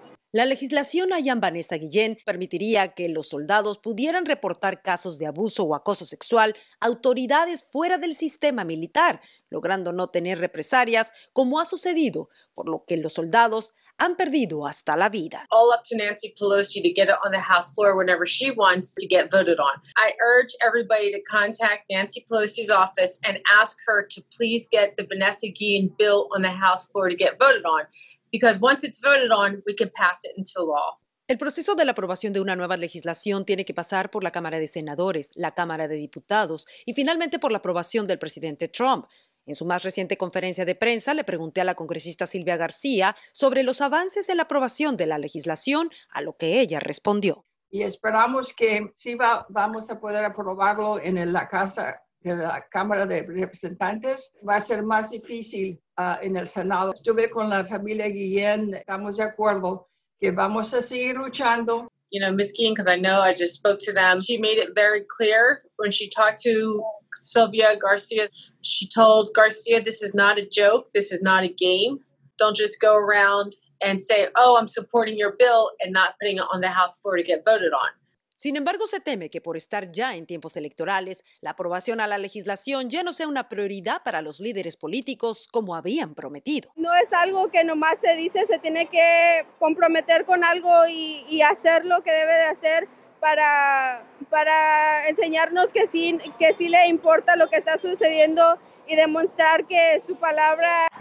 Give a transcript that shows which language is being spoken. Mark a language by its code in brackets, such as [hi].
[es] La legislación Ayan Vanessa Guillén permitiría que los soldados pudieran reportar casos de abuso o acoso sexual a autoridades fuera del sistema militar, logrando no tener represalias como ha sucedido, por lo que los soldados han perdido hasta la vida. [en] All up to Nancy Pelosi to get it on the House floor whenever she wants to get voted on. I urge everybody to contact Nancy Pelosi's office and ask her to please get the Vanessa Guillén bill on the House floor to get voted on, because once it's voted on, we can pass it into law. [es] El proceso de la aprobación de una nueva legislación tiene que pasar por la Cámara de Senadores, la Cámara de Diputados y finalmente por la aprobación del presidente Trump. En su más reciente conferencia de prensa, le pregunté a la congresista Silvia García sobre los avances en la aprobación de la legislación, a lo que ella respondió. Y esperamos que sí vamos a poder aprobarlo en la casa de la Cámara de Representantes. Va a ser más difícil en el Senado. Estuve con la familia Guillén, estamos de acuerdo que vamos a seguir luchando. [en] You know, Ms. Guillén, because I know I just spoke to them. She made it very clear when she talked to Silvia García. She told García, this is not a joke. This is not a game. Don't just go around and say, oh, I'm supporting your bill and not putting it on the House floor to get voted on. [es] Sin embargo, se teme que por estar ya en tiempos electorales, la aprobación a la legislación ya no sea una prioridad para los líderes políticos como habían prometido. No es algo que nomás se dice, se tiene que comprometer con algo y hacer lo que debe de hacer para enseñarnos que sí le importa lo que está sucediendo y demostrar que su palabra...